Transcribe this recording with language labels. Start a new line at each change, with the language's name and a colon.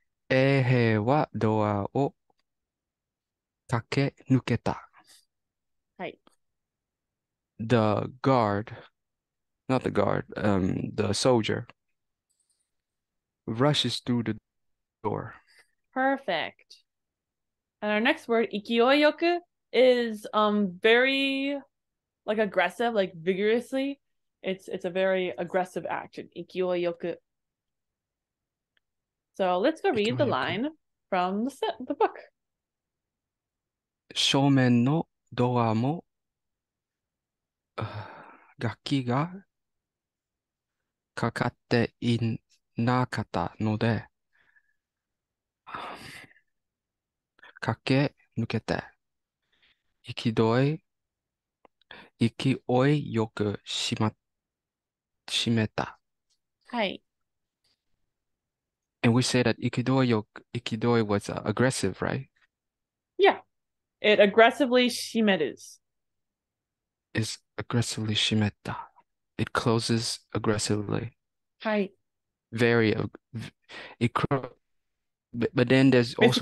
Japanese: 衛兵はドアを駆け抜けた。
English: The guard, not the guard, the soldier rushes through the door. Perfect. And our next word, ikioyoku, is very like aggressive, like vigorously. It's a very aggressive action, ikioyoku. So let's go read the line from the book.
Japanese: 正面のドアも楽器がかかっていなかったので、駆け抜けて、勢いよく閉めた。はい。
English: And we say that ikidoi was aggressive, right? It aggressively shimeru. It's aggressively shimetta. It closes aggressively.
Japanese: Hi.
English: Very it cro but then there's also